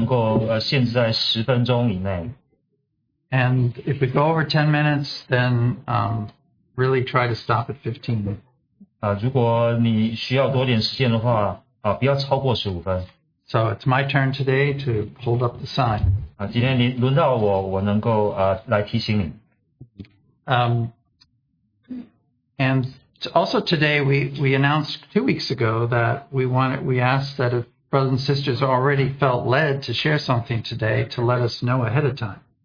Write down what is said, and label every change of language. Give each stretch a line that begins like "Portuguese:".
Chinese: 我们有个提醒，就是跟以往一样，我们希望我们的交通能够限制在10分钟以内。
English: And if we go over 10 minutes, then really try to stop at 15.
Chinese: 如果你需要多点时间的话，不要超过15分。
English: So it's my turn today to hold up the sign.
Chinese: 今天你轮到我，我能够来提醒你。
English: And also today we announced 2 weeks ago that we asked that if brothers and sisters already felt led to share something today to let us know ahead of time.